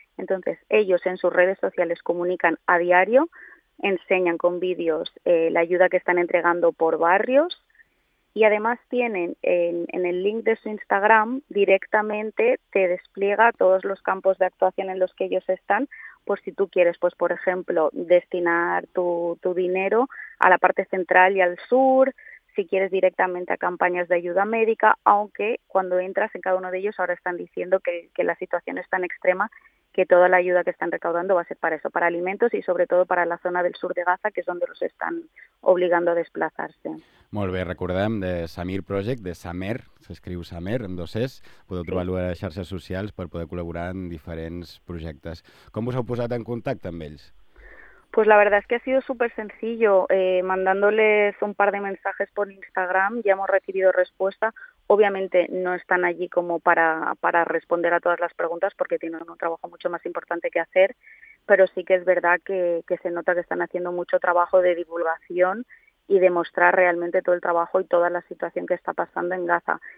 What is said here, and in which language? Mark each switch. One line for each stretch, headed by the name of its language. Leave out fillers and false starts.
Spanish: Entonces, ellos en sus redes sociales comunican a diario, enseñan con vídeos la ayuda que están entregando por barrios, y además tienen en el link de su Instagram directamente te despliega todos los campos de actuación en los que ellos están, por si tú quieres, pues por ejemplo, destinar tu dinero a la parte central y al sur, si quieres directamente a campañas de ayuda médica, aunque cuando entras en cada uno de ellos ahora están diciendo que la situación es tan extrema que toda la ayuda que están recaudando va a ser para eso, para alimentos y sobre todo para la zona del sur de Gaza, que es donde los están obligando a desplazarse.
Catalan: Molt bé, recordem de Summer Project, de Summer, s'escriu Summer amb dos es, podeu trobar-lo a les xarxes socials per poder col·laborar en diferents projectes. Com us heu posat en contacte amb ells?
Spanish: Pues la verdad es que ha sido súper sencillo, mandándoles un par de mensajes por Instagram, ya hemos recibido respuesta. Obviamente no están allí como para responder a todas las preguntas porque tienen un trabajo mucho más importante que hacer, pero sí que es verdad que se nota que están haciendo mucho trabajo de divulgación y de mostrar realmente todo el trabajo y toda la situación que está pasando en Gaza.